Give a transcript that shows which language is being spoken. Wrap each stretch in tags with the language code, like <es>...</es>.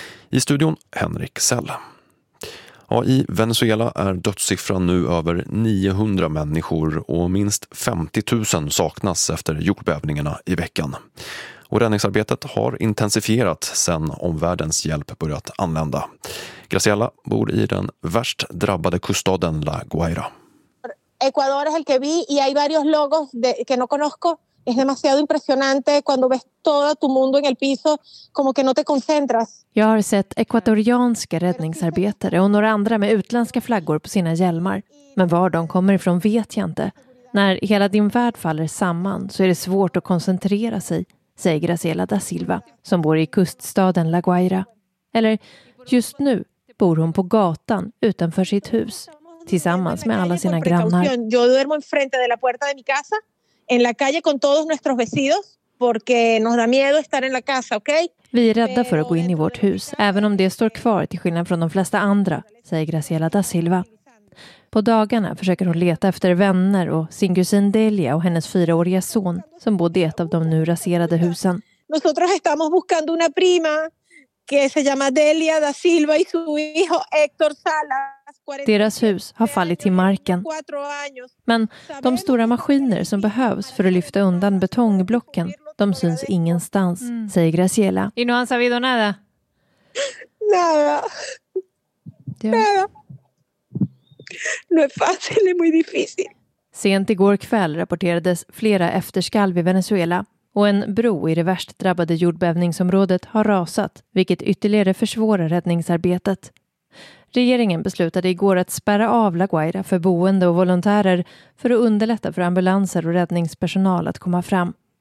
<sv>I studion Henrik Sell. Ja, i Venezuela är dödssiffran nu över 900 människor och minst 50 000 saknas efter jordbävningarna i veckan. Och räddningsarbetet har intensifierat sedan omvärldens hjälp börjat anlända. Graciela bor i den värst drabbade kuststaden La Guaira.</sv> <es>Ecuador es el que vi y hay varios logos de que no conozco. Es demasiado impresionante cuando ves todo tu mundo en el piso, como que no te concentras.</es> <sv>Jag har sett ekvatorianska räddningsarbetare och några andra med utländska flaggor på sina hjälmar. Men var de kommer ifrån vet jag inte. När hela din värld faller samman så är det svårt att koncentrera sig, säger Graciela da Silva, som bor i kuststaden La Guaira. Eller just nu bor hon på gatan utanför sitt hus, tillsammans med alla sina grannar.</sv> <es>Jag duermo enfrente de la puerta de mi casa. En la calle con todos nuestros vecinos porque nos da miedo estar en la casa, okay?</es> <sv>Vi är rädda för att gå in i vårt hus, även om det står kvar till skillnad från de flesta andra, säger Graciela da Silva. På dagarna försöker hon leta efter vänner och sin kusin Delia och hennes 4-åriga son som bodde i ett av de nu raserade husen.</sv> <es>Nosotros estamos buscando una prima que se llama Delia da Silva y su hijo Héctor Sala.</es> <sv>Deras hus har fallit till marken. Men de stora maskiner som behövs för att lyfta undan betongblocken, de syns ingenstans, säger Graciela.</sv> <es>Y no han sabido nada. Nada. Nada. No es fácil, es muy difícil.</es> <sv>Sent igår kväll rapporterades flera efterskalv i Venezuela och en bro i det värst drabbade jordbävningsområdet har rasat, vilket ytterligare försvårar räddningsarbetet. Regeringen beslutade igår att spärra av La Guaira för boende och volontärer för att underlätta för ambulanser och räddningspersonal att komma fram.</sv>